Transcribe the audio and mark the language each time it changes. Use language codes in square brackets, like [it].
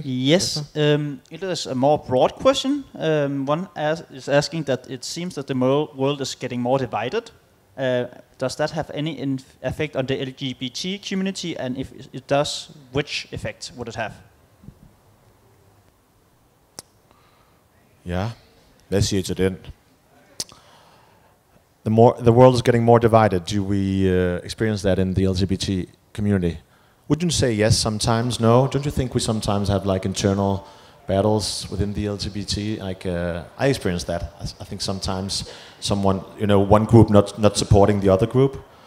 [en] Yes, it is a more broad question. One is asking that it seems that the world is getting more divided. Does that have any effect on the LGBT community? And if it does, which effect would it have? [da] Yeah, hvad siger du til den? [en] The world is getting more divided. Do we experience that in the LGBT community? Wouldn't you say yes sometimes? No, don't you think we sometimes have like internal battles within the LGBT? Like I experience that. I think sometimes someone, you know, one group not supporting the other group.